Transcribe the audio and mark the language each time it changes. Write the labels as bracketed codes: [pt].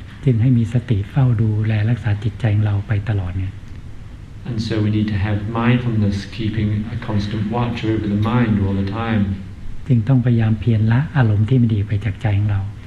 [th] จึงให้มีสติเฝ้าดูแลรักษาจิตใจของเราไปตลอดเนี่ย [en] And so we need to have mindfulness keeping a constant watch over the mind all the time [th] จึงต้องพยายามเพียรละอารมณ์ที่ไม่ดีไปจากใจของเรา